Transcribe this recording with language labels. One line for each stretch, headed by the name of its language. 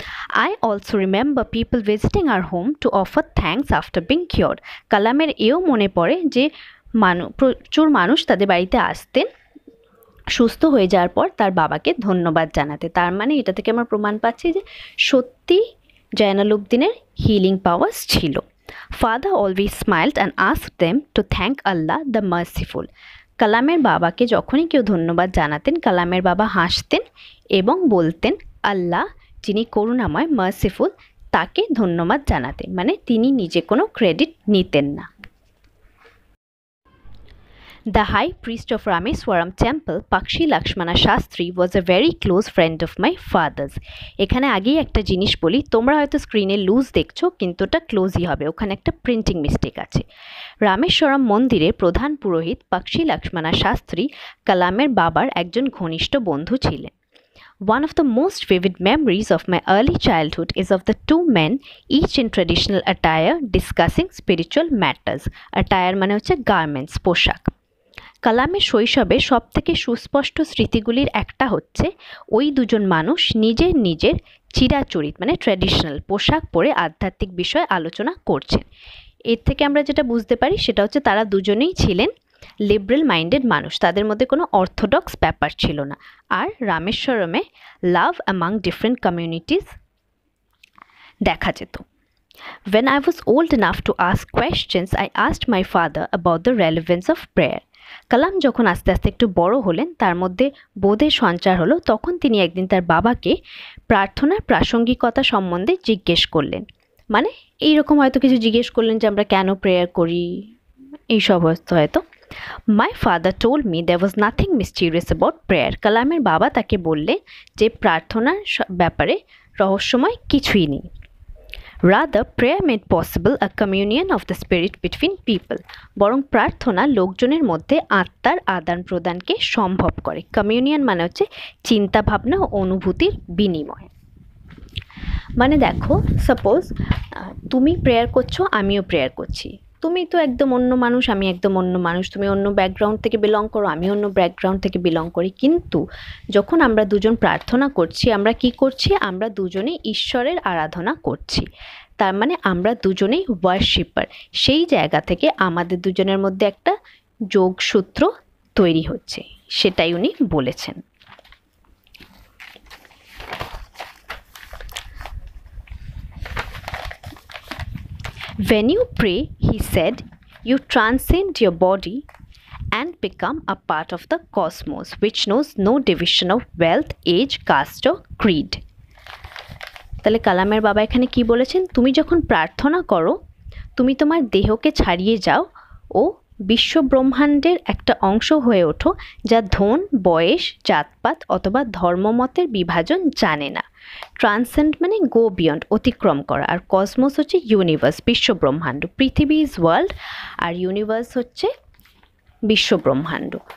English: I also remember people visiting our home to offer thanks after being cure.
Bangla: কালামের এও মনে পড়ে যে প্রচুর মানুষ তাদের বাড়িতে আসতেন সুস্থ হয়ে যাওয়ার পর তার বাবাকে ধন্যবাদ জানাতে। তার মানে এটা থেকে আমরা প্রমাণ পাচ্ছি যে সত্যি জয়নালুদ্দিনের হিলিং পাওয়ার্স ছিল।
English: Father always smiled and asked them to thank Allah the merciful.
Bangla: কালামের বাবাকে যখনই কেউ ধন্যবাদ জানাতেন, কালামের বাবা হাসতেন এবং বলতেন আল্লাহ যিনি করুণাময় merciful তাকে ধন্যবাদ জানাতেন, মানে তিনি নিজে কোনো ক্রেডিট নিতেন না।
English: The high priest of Rameswaram temple, Pakshi Lakshmana Shastri, was a very close friend of my father's.
Bangla: এখানে আগেই একটা জিনিস বলি, তোমরা হয়তো স্ক্রিনে লুজ দেখছো কিন্তু ওটা ক্লোজই হবে, ওখানে একটা প্রিন্টিং মিস্টেক আছে। রামেশ্বরম মন্দিরের প্রধান পুরোহিত পাকশি লক্ষ্মণা শাস্ত্রি কালামের বাবার একজন ঘনিষ্ঠ বন্ধু ছিলেন।
English: One of the most vivid memories of my early childhood is of the two men, each in traditional attire, discussing spiritual matters.
Bangla: Attire মানে হচ্ছে garments, পোশাক। কালামের শৈশবে সবথেকে সুস্পষ্ট স্মৃতিগুলির একটা হচ্ছে ওই দুজন মানুষ নিজের নিজের চিরাচরিত মানে ট্র্যাডিশনাল পোশাক পরে আধ্যাত্মিক বিষয়ে আলোচনা করছেন। এর থেকে আমরা যেটা বুঝতে পারি সেটা হচ্ছে তারা দুজনেই ছিলেন লিবারেল মাইন্ডেড মানুষ, তাদের মধ্যে কোনো অর্থোডক্স ব্যাপার ছিল না। আর রামেশ্বরমে
English: love among different communities
Bangla: দেখা যেত।
English: When I was old enough to ask questions, I asked my father about the relevance of prayer.
Bangla: কালাম যখন আস্তে আস্তে একটু বড় হলেন, তার মধ্যে বোধের সঞ্চার হলো, তখন তিনি একদিন তার বাবাকে প্রার্থনার প্রাসঙ্গিকতা সম্বন্ধে জিজ্ঞেস করলেন, মানে এইরকম হয়তো কিছু জিজ্ঞেস করলেন যে আমরা কেন প্রেয়ার করি এই সমস্ত হয়তো।
English: My father told me there was nothing mysterious about prayer.
Bangla: কালামের বাবা তাকে বললে যে প্রার্থনার ব্যাপারে রহস্যময় কিছুই নেই।
English: Rather, prayer made possible a communion of the spirit between people.
Bangla: Borong prarthona lokjoner moddhe attar adan pradan ke shombhob kore. Communion mane hocche chinta bhabna o onubhutir binimoy. Mane dekho, suppose tumi prayer korcho, amio prayer korchi. তুমি তো একদম অন্য মানুষ, আমি একদম অন্য মানুষ, তুমি অন্য ব্যাকগ্রাউন্ড থেকে বিলং করো, আমি অন্য ব্যাকগ্রাউন্ড থেকে বিলং করি, কিন্তু যখন আমরা দুজন প্রার্থনা করছি আমরা কী করছি? আমরা দুজনে ঈশ্বরের আরাধনা করছি, তার মানে আমরা দুজনেই ওয়ার্শিপার। সেই জায়গা থেকে আমাদের দুজনের মধ্যে একটা যোগসূত্র তৈরি হচ্ছে, সেটাই উনি বলেছেন।
English: When you pray, he said, you transcend your body and become a part of the cosmos, which knows no division of wealth, age, caste or creed.
Bangla: তাহলে কালামের বাবা এখানে কি বলেছেন? তুমি যখন প্রার্থনা করো, তুমি তোমার দেহকে ছাড়িয়ে যাও ও বিশ্ব ব্রহ্মাণ্ডের একটা অংশ হয়ে ওঠো যা ধন, বয়স, জাতপাত অথবা ধর্মমতের বিভাজন জানে না। ট্রান্সেন্ড মানে
English: go beyond,
Bangla: অতিক্রম করা, আর কসমোস হচ্ছে ইউনিভার্স, বিশ্ব ব্রহ্মাণ্ড। পৃথিবী ইজ ওয়ার্ল্ড আর ইউনিভার্স হচ্ছে বিশ্ব ব্রহ্মাণ্ড।